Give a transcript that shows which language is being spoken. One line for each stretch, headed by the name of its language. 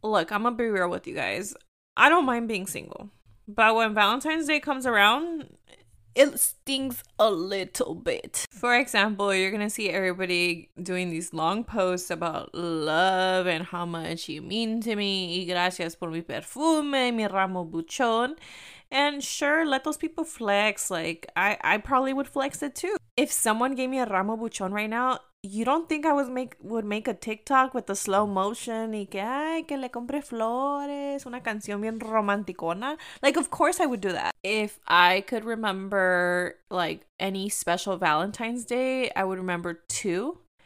English: Look, I'm gonna be real with you guys. I don't mind being single, but when Valentine's Day comes around, it stings a little bit. For example, you're gonna see everybody doing these long posts about love and how much you mean to me.
Spanish: Y gracias por mi perfume, mi ramo buchón.
English: And sure, let those people flex. Like, I probably would flex it too. If someone gave me a ramo buchón right now, you don't think I would make a TikTok with the slow motion?
Spanish: Y que, ay, que le compre flores, una canción bien romanticona.
English: Like, of course I would do that. If I could remember, like, any special Valentine's Day, I would remember two.